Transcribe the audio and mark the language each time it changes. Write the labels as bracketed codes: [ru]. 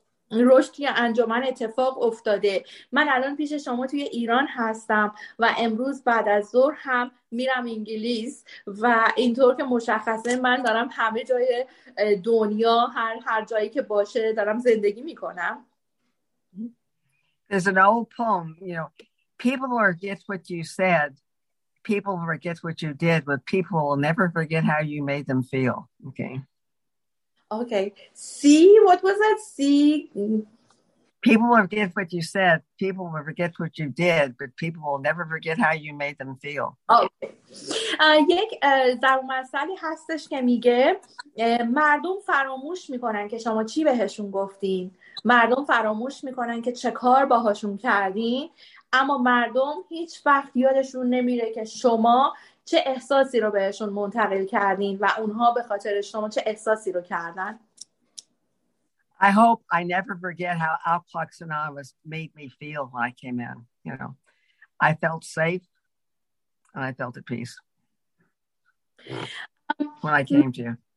[fa] این رشدی انجمن اتفاق افتاده. من الان پیش شما توی ایران هستم و امروز بعد از ظهر هم میرم انگلیس و اینطور که مشخصه من دارم همه جای دنیا هر جایی که باشه دارم زندگی میکنم. [en] There's an old poem, you know, people forget what you said, people forget what you did, but people will never forget how you made them feel. Okay. See, what was that? See? People will forget what you said. People will forget what you did, but people will never forget how you made them feel. Okay. [fa] یک ضرب المثلی هستش که میگه مردم فراموش میکنن که شما چی بهشون گفتین. مردم فراموش میکنن که چه کار باهاشون کردین. اما مردم هیچ وقت یادشون نمیره که شما چه احساسی رو بهشون منتقل کردین و اونها به خاطر شما چه احساسی رو کردن. [en] I hope I never forget how Alcoholics Anonymous made me feel when I came in. You know, I felt safe and I felt at peace when I came to you.